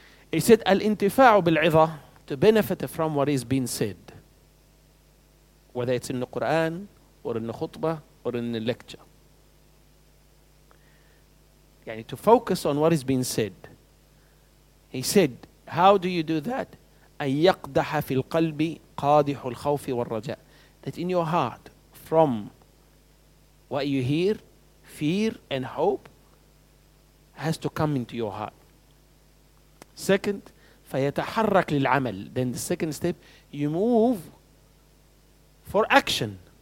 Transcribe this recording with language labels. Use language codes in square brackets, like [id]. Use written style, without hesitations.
[en] He said, [ar] الانتفاع بالعظة [en] to benefit from what is being said. Whether it's in the Quran, or in the khutbah, or in the lecture. يعني to focus on what is being said. He said, how do you do that? [ar] أن يقدح في القلب قادح الخوف والرجاء. [en] That in your heart, from what you hear, fear and hope, has to come into your heart. Second, [ar] فَيَتَحَرَّكْ لِلْعَمَلِ [en] Then the second step, you move for action.